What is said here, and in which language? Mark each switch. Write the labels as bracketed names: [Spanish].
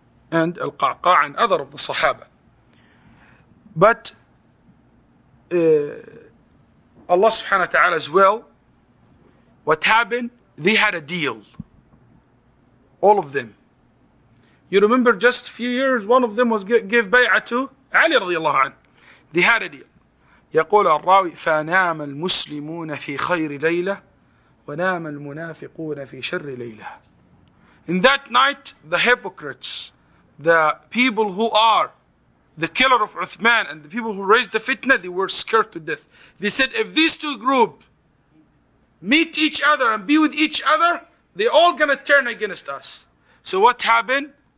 [English] And Al-Qa'qa and other of the Sahaba. But Allah subhanahu wa ta'ala as well, what happened, they had a deal. All of them. You remember just a few years, one of them was gave bay'ah to Ali radiallahu anhu. They had a deal. [Arabic] يقول الراوي فنام المسلمون في خير ليلة ونام المنافقون في شر ليلة. [English] In that night, the hypocrites, the people who are the killer of Uthman and the people who raised the fitna, they were scared to death. They said, if these two groups meet each other and be with each other, they're all going to turn against us. So what happened?